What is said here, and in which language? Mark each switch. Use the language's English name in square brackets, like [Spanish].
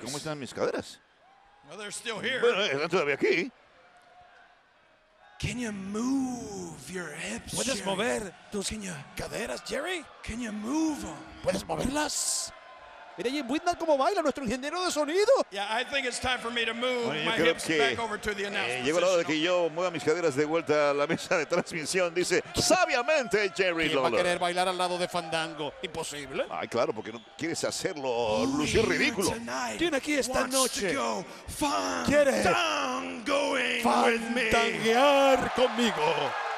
[Spanish] ¿Cómo están mis caderas? [English] Well, they're still here. [Spanish] Bueno, están todavía aquí. [English] Can you move your hips, [Spanish] ¿puedes [English] Jerry? [Spanish] Mover tus caderas, Jerry? [English] Can you move them? [Spanish] ¿Puedes moverlas? Mira, Jim Whitman, cómo baila nuestro ingeniero de sonido. [English] Yeah, I think it's time for me to move my hips back over to the announcement. [Spanish] Llegó la hora de que yo mueva mis caderas de vuelta a la mesa de transmisión, dice sabiamente Jerry Lawler. ¿Quién va a querer bailar al lado de Fandango? Imposible. Ay, claro, porque no quieres hacerlo lucir ridículo. ¿Quién aquí esta noche quiere fandanguear conmigo?